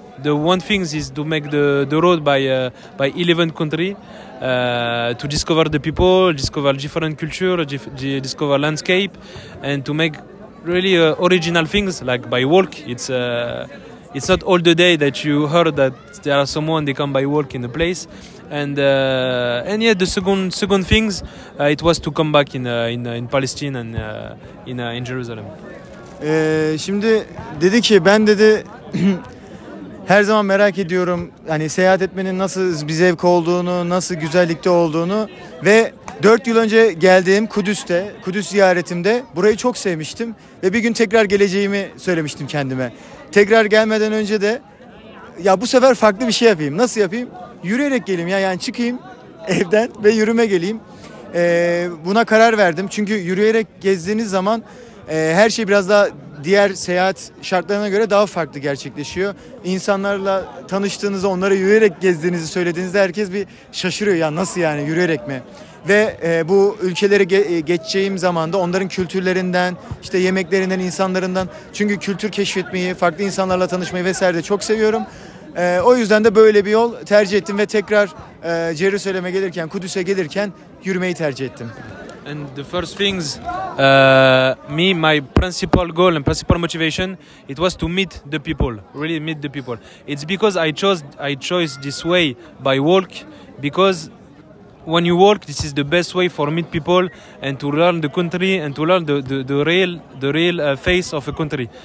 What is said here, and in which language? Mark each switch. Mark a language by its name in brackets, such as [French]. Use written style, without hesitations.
[English] The one thing is to make the road by 11 countries to discover the people, discover different culture, discover landscape, and to make really original things like by walk. It's it's not all the day that you heard that there are someone they come by walk in the place, and yeah, the second things, it was to come back in Palestine and in Jerusalem. [Turkish] Şimdi dedi ki, ben dedi her zaman merak ediyorum hani seyahat etmenin nasıl bir zevk olduğunu, nasıl güzellikte olduğunu ve 4 yıl önce geldiğim Kudüs'te, Kudüs ziyaretimde burayı çok sevmiştim ve bir gün tekrar geleceğimi söylemiştim kendime. Tekrar gelmeden önce de ya bu sefer farklı bir şey yapayım. Nasıl yapayım? Yürüyerek geleyim ya, yani çıkayım evden ve yürüme geleyim. Buna karar verdim çünkü yürüyerek gezdiğiniz zaman her şey biraz daha diğer seyahat şartlarına göre daha farklı gerçekleşiyor. İnsanlarla tanıştığınızda, onlara yürüyerek gezdiğinizi söylediğinizde herkes bir şaşırıyor. Ya nasıl yani, yürüyerek mi? Ve bu ülkelere geçeceğim zamanda onların kültürlerinden, işte yemeklerinden, insanlarından. Çünkü kültür keşfetmeyi, farklı insanlarla tanışmayı vesaire de çok seviyorum. O yüzden de böyle bir yol tercih ettim ve tekrar Jerusalem'e gelirken, Kudüs'e gelirken yürümeyi tercih ettim. [English] And the first things, my principal goal and principal motivation, it was to meet the people, really meet the people. It's because I chose this way by walk, because when you walk, this is the best way for meet people and to learn the country and to learn the real face of a country.